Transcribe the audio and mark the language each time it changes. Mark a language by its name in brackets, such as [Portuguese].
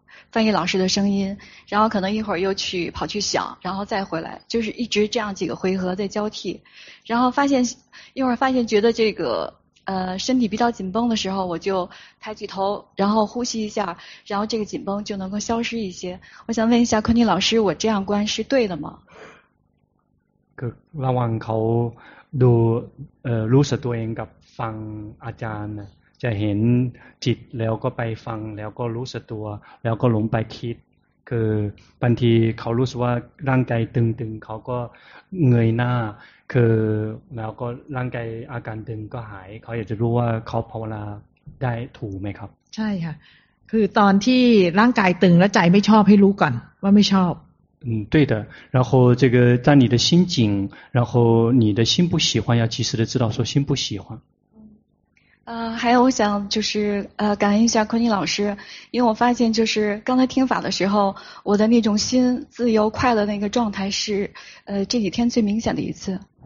[Chinese] 翻译老师的声音然后可能一会儿又去跑去想然后再回来就是一直这样几个回合在交替然后发现一会儿发现觉得这个身体比较紧绷的时候我就抬起头然后呼吸一下然后这个紧绷就能够消失一些我想问一下昆尼老师我这样观是对的吗 [Thai] คือระหว่างเขาดูรู้สึกตัวเองกับฟังอาจารย์จะเห็นจิตแล้วก็ไปฟังแล้วก็รู้สึกตัวแล้วก็หลงไปคิดคือบางทีเขารู้สึกว่าร่างกายตึงๆเขาก็เงยหน้าคือแล้วก็ร่างกายอาการตึงก็หายเขาอยากจะรู้ว่าเขาภาวนาได้ถูกไหมครับ ใช่ค่ะคือตอนที่ร่างกายตึงแล้วใจไม่ชอบให้รู้ก่อนว่าไม่ชอบ [Chinese] 对的然后这个在你的心紧然后你的心不喜欢要及时的知道说心不喜欢还有我想就是感恩一下昆尼老师因为我发现就是刚才听法的时候我的那种心自由快乐那个状态是这几天最明显的一次